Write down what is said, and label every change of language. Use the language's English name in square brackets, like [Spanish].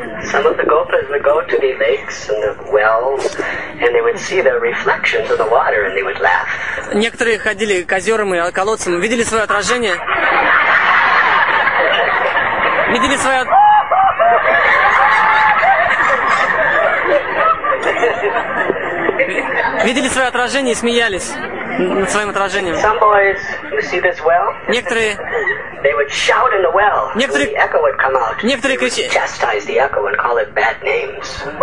[English] Some of the gophers would go to the lakes and the wells, and they would see the reflections of the water, and they would laugh. [Russian] Некоторые ходили к озерам и колодцам, видели свое отражение. Видели свое... Видели свое отражение и смеялись над своим отражением. [English] Some boys, you see this well? [Russian] Некоторые... [English] They would shout in the well, [Russian] некоторые... [English] and the echo would come out. [Russian] Некоторые... [English] They would chastise the echo and call it bad names.